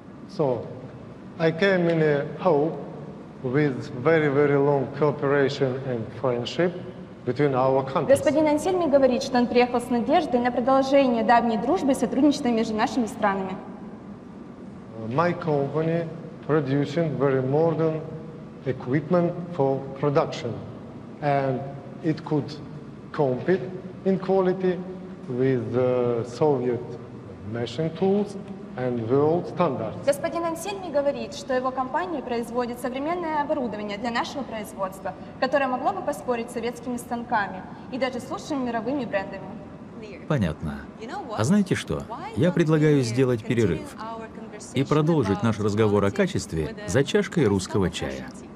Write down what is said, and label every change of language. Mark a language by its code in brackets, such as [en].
[en] So, I came in a hope with very, very long cooperation and friendship. [ru] Господин Ансельми говорит, что он приехал с надеждой на продолжение давней дружбы и сотрудничества между нашими странами. [en] My company producing very modern equipment for production, and it could compete in quality with Soviet machine tools and world standards. [ru] Господин Ансельми говорит, что его компания производит современное оборудование для нашего производства, которое могло бы поспорить с советскими станками и даже с лучшими мировыми брендами. Понятно. А знаете что? Я предлагаю сделать перерыв и продолжить наш разговор о качестве за чашкой русского чая.